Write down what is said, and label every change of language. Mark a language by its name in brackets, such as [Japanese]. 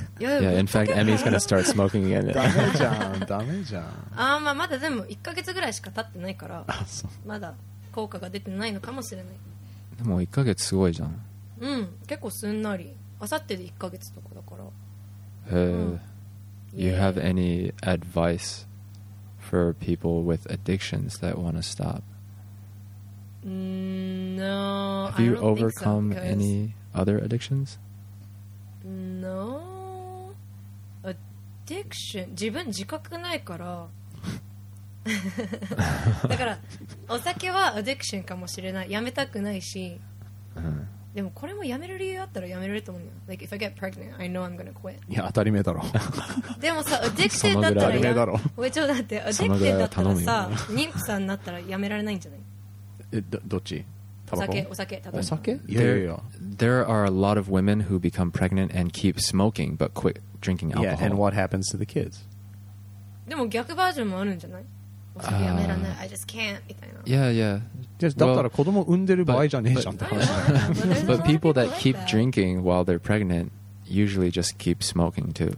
[English] Yeah, in fact, Emmy's gonna start smoking again. [Japanese] ダメじゃん、ダメじゃん。あ、まあまだでも1ヶ月ぐらいしか経ってないから、まだ効果が出てないのかもしれない。でも1ヶ月すごいじゃん。うん、結構すんなり。あさってで1ヶ月とかだから。へえ。 [English] You have any advice for people with addictions that want to stop? No. Have you overcome any other addictions? No. Addiction. [Japanese] 自分自覚ないから。だからお酒はアディクションかもしれない。やめたくないし。でもこれもやめる理由あったらやめれると思うよ。 [English] Like if I get pregnant, I know I'm gonna quit. [Japanese] いや当たり前だろ。でもさ、addiction だったら、当たり前だろ。俺ちょだって addiction だったらさ、妊婦さんになったらやめられないんじゃない？どっち？タバコ？お酒？いやいやいや。 [English] There are a lot of women who become pregnant and keep smoking but quit drinking alcohol. Yeah, and what happens to the kids? [Japanese] でも逆バージョンもあるんじゃない？ [English] I just can't [Japanese] みたいな。 [English] Yeah, yeah. [Japanese] だったら子供産んでる場合じゃねえじゃんって話だよ。 [English] But people that keep drinking while they're pregnant usually just keep smoking too.